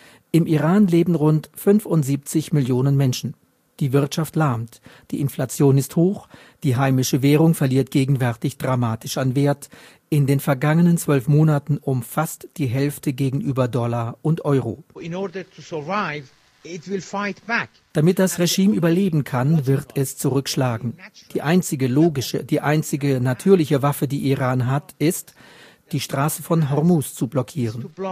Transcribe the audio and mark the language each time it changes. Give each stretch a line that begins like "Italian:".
German: Im Iran leben rund 75 Millionen Menschen. Die Wirtschaft lahmt, die Inflation ist hoch, die heimische Währung verliert gegenwärtig dramatisch an Wert, in den vergangenen 12 Monaten um fast die Hälfte gegenüber Dollar und Euro.
English: In order to survive, it will fight back.
German: Damit das Regime überleben kann, wird es zurückschlagen. Die einzige logische, die einzige natürliche Waffe, die Iran hat, ist, die Straße von Hormuz zu blockieren.